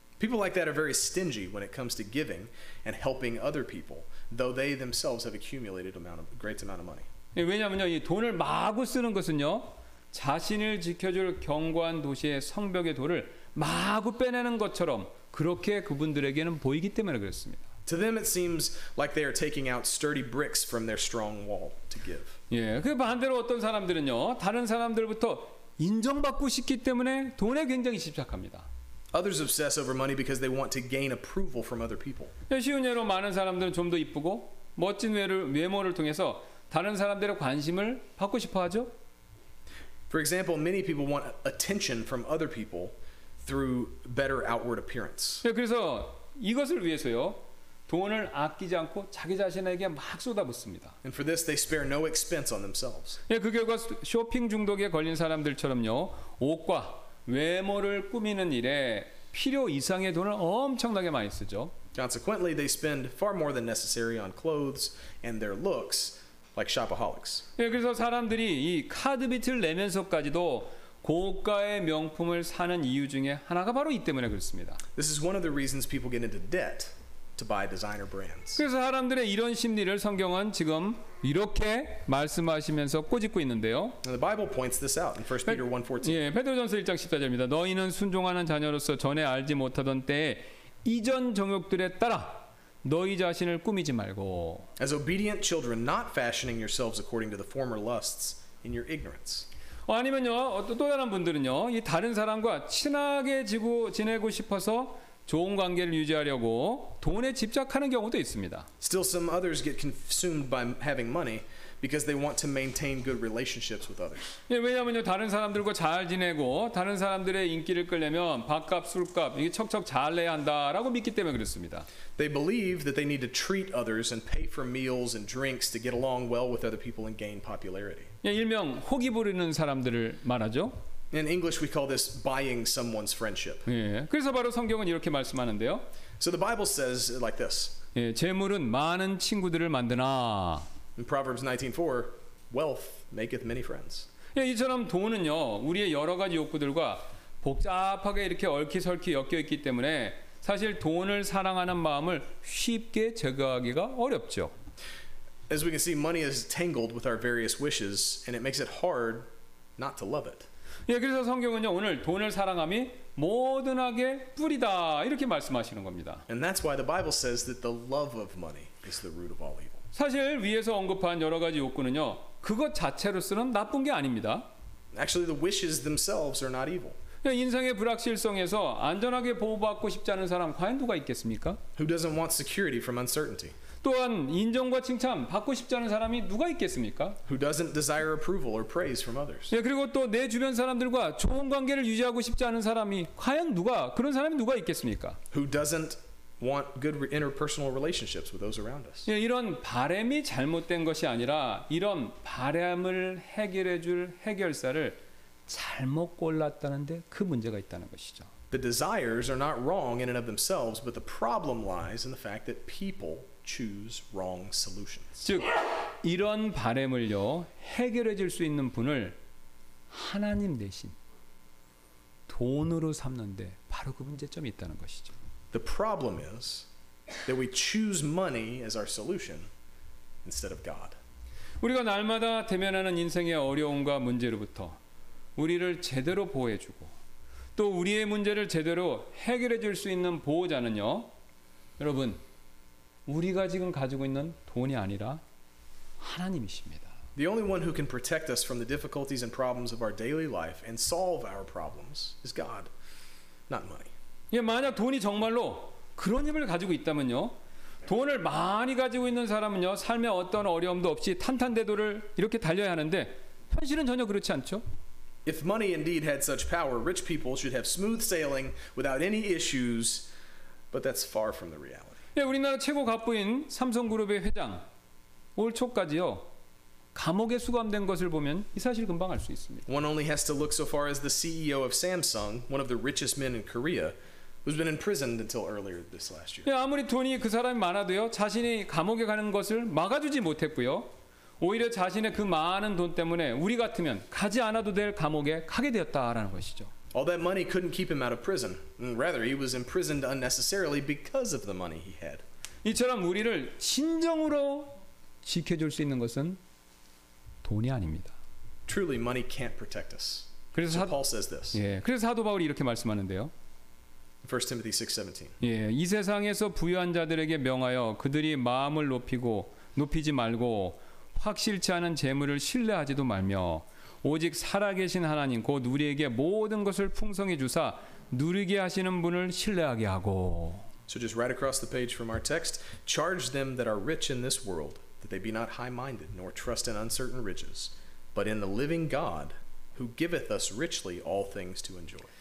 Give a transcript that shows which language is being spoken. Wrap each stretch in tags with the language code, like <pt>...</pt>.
<en>People like that are very stingy when it comes to giving and helping other people, though they themselves have accumulated a great amount of money.</en> <ko>예, 왜냐면요, 이 돈을 마구 쓰는 것은요, 자신을 지켜줄 견고한 도시의 성벽의 돌을 마구 빼내는 것처럼 그렇게 그분들에게는 보이기 때문에 그렇습니다.</ko> <en>To them it seems like they are taking out sturdy bricks from their strong wall to give.</en> <ko>예, 그 반대로 어떤 사람들은요, 다른 사람들부터 인정받고 싶기 때문에 돈에 굉장히 집착합니다.</ko> <en>Others obsess over money because they want to gain approval from other people.</en> <ko>예, 쉬운 예로 많은 사람들은 좀 더 이쁘고 멋진 외모를 통해서 다른 사람들의 관심을 받고 싶어 하죠.</ko> <en>For example, many people want attention from other people through better outward appearance.</en> <ko>예, 그래서 이것을 위해서요, 돈을 아끼지 않고 자기 자신에게 막 쏟아붓습니다.</ko> <en>And for this, they spare no expense on themselves.</en> <ko>예, 그 결과 쇼핑 중독에 걸린 사람들처럼요, 옷과 외모를 꾸미는 일에 필요 이상의 돈을 엄청나게 많이 쓰죠.</ko> <en>Consequently, they spend far more than necessary on clothes and their looks, like shopaholics.</en> <ko>예, 그래서 사람들이 이 카드 빚을 내면서까지도 고가의 명품을 사는 이유 중에 하나가 바로 이 때문에 그렇습니다.</ko> <en>This is one of the reasons people get into debt to buy designer brands.</en> <ko>그래서 사람들의 이런 심리를 성경은 지금 이렇게 말씀하시면서 꼬집고 있는데요.</ko> <en>And the Bible points this out in 1 Peter 1:14.</en> <ko>예, 베드로전서 1장 14절입니다. 너희는 순종하는 자녀로서 전에 알지 못하던 때에 이전 정욕들에 따라 너희 자신을 꾸미지 말고.</ko> <en>As obedient children, not fashioning yourselves according to the former lusts in your ignorance.</en> <ko>아니면요, 또 다른 분들은요, 이 다른 사람과 친하게 지내고 싶어서 좋은 관계를 유지하려고 돈에 집착하는 경우도 있습니다.</ko> <en>Still some others get consumed by having money because they want to maintain good relationships with others.</en> <ko>예, 왜냐면요, 다른 사람들과 잘 지내고 다른 사람들의 인기를 끌려면 밥값, 술값 이게 척척 잘 내야 한다라고 믿기 때문에 그렇습니다.</ko> <en>They believe that they need to treat others and pay for meals and drinks to get along well with other people and gain popularity.</en> <ko>예, 일명 호기 부리는 사람들을 말하죠.</ko> <en>In English we call this buying someone's friendship. 예.</en> <ko>그래서 바로 성경은 이렇게 말씀하는데요.</ko> <en>So the Bible says it like this.</en> <ko>예, 재물은 많은 친구들을 만드나.</ko> <en>In Proverbs 19:4, wealth maketh many friends.</en> <ko>예, 이처럼 돈은요, 우리의 여러 가지 욕구들과 복잡하게 이렇게 얽히설키 엮여 있기 때문에 사실 돈을 사랑하는 마음을 쉽게 제거하기가 어렵죠.</ko> <en>As we can see, money is tangled with our various wishes, and it makes it hard not to love it.</en> <ko>예, 그래서 성경은요, 오늘 돈을 사랑함이 모든 악의 뿌리다 이렇게 말씀하시는 겁니다.</ko> <en>And that's why the Bible says that the love of money is the root of all evil.</en> <ko>사실 위에서 언급한 여러 가지 욕구는요, 그것 자체로서는 나쁜 게 아닙니다.</ko> <en>Actually, the wishes themselves are not evil.</en> <ko>인생의 불확실성에서 안전하게 보호받고 싶지 않은 사람 과연 누가 있겠습니까?</ko> <en>Who doesn't want security from uncertainty?</en> <ko>또한 인정과 칭찬 받고 싶지 않은 사람이 누가 있겠습니까?</ko> <en>Who doesn't desire approval or praise from others?</en> <ko>예, 그리고 또 내 주변 사람들과 좋은 관계를 유지하고 싶지 않은 사람이 과연 누가 그런 사람이 누가 있겠습니까?</ko> <en>Who doesn't want good interpersonal relationships with those around us?</en> <ko>예, 이런 바람이 잘못된 것이 아니라 이런 바람을 해결해 줄 해결사를 잘못 골랐다는 데 그 문제가 있다는 것이죠.</ko> <en>The desires are not wrong in and of themselves, but the problem lies in the fact that people choose wrong solutions.</en> <ko>즉 이런 바람을요 해결해 줄 수 있는 분을 하나님 대신 돈으로 삼는데 바로 그 문제점이 있다는 것이죠.</ko> <en>The problem is that we choose money as our solution instead of God.</en> <ko>우리가 날마다 대면하는 인생의 어려움과 문제로부터 우리를 제대로 보호해 주고 또 우리의 문제를 제대로 해결해 줄 수 있는 보호자는요. 여러분 우리가 지금 가지고 있는 돈이 아니라 하나님이십니다.</ko> <en>The only one who can protect us from the difficulties and problems of our daily life and solve our problems is God, not money.</en> <ko>예, 만약 돈이 정말로 그런 힘을 가지고 있다면요. 돈을 많이 가지고 있는 사람은요. 삶에 어떤 어려움도 없이 탄탄대로를 이렇게 달려야 하는데 현실은 전혀 그렇지 않죠.</ko> <en>If money indeed had such power, rich people should have smooth sailing without any issues, but that's far from the reality.</en> <ko>예, 우리나라 최고 갑부인 삼성그룹의 회장 올 초까지요 감옥에 수감된 것을 보면 이 사실 금방 알 수 있습니다.</ko> <en>One only has to look so far as the CEO of Samsung, one of the richest men in Korea, who's been imprisoned until earlier this last year.</en> <ko>예, 아무리 돈이 그 사람이 많아도요 자신이 감옥에 가는 것을 막아주지 못했고요 오히려 자신의 그 많은 돈 때문에 우리 같으면 가지 않아도 될 감옥에 가게 되었다라는 것이죠.</ko> <en>All that money couldn't keep him out of prison. Rather, he was imprisoned unnecessarily because of the money he had.</en> <ko>이처럼 우리를 진정으로 지켜줄 수 있는 것은 돈이 아닙니다.</ko> <en>Truly, money can't protect us.</en> <ko>그래서</ko> <en>so Paul says this.</en> <ko>예, 그래서 사도 바울이 이렇게 말씀하는데요.</ko> <en>1 Timothy 6:17.</en> <ko>예, 이 세상에서 부유한 자들에게 명하여 그들이 마음을 높이지 말고 확실치 않은 재물을 신뢰하지도 말며 오직 살아계신 하나님 곧 우리에게 모든 것을 풍성히 주사 누리게 하시는 분을 신뢰하게 하고.</ko> <en>So just right across the page from our text, charge them that are rich in this world that they be not high-minded nor trust in uncertain riches, but in the living God who giveth us richly all things to enjoy.</en>